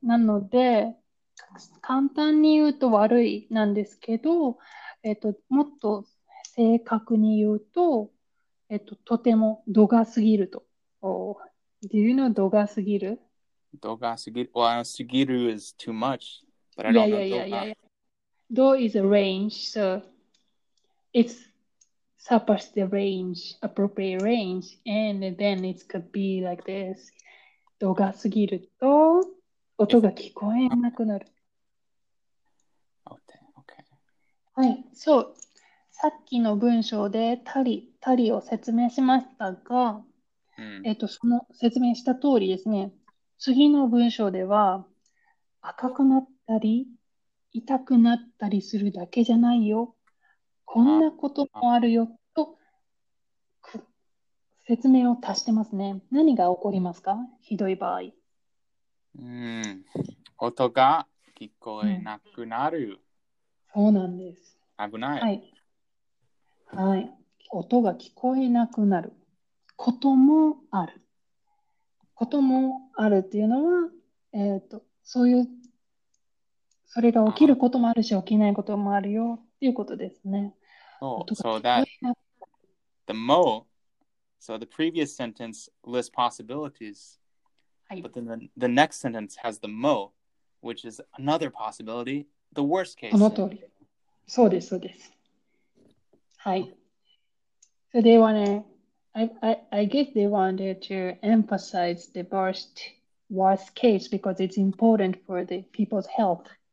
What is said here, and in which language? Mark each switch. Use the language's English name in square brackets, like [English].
[Japanese] なので、簡単に言うと悪いなんですけど、もっと正確に言うと、とても度が過ぎると。 [English] Do you know 度が過ぎる？ [Japanese] 度が過ぎる。 [English] Well, 過ぎる is too much, but I don't know 度が。度 is a range, so it's surpassed the range, appropriate range, and then it could be like this. [Japanese] 度が過ぎると、音が聞こえなくなる。 [English] Okay. [Japanese] はい、そう。さっきの文章でたりを説明しましたが、その説明した通りですね。次の文章では、赤くなったり、痛くなったりするだけじゃないよ。こんなこともあるよと、説明を足してますね。何が起こりますか？ひどい場合。音が聞こえなくなる、うん、そうなんです。危ない、はい、はい。音が聞こえなくなることもある。こともあるっていうのは、そういうそれが起きることもあるし、起きないこともあるよっていうことですね。そう、音が聞こえなくなる。 [English] So the previous sentence lists possibilitiesBut then the next sentence has the mo, which is another possibility, the worst case. [Japanese] この通り。そうです、そうです。はい。 [English] So they want to, I guess they wanted to emphasize the worst case because it's important for the people's health.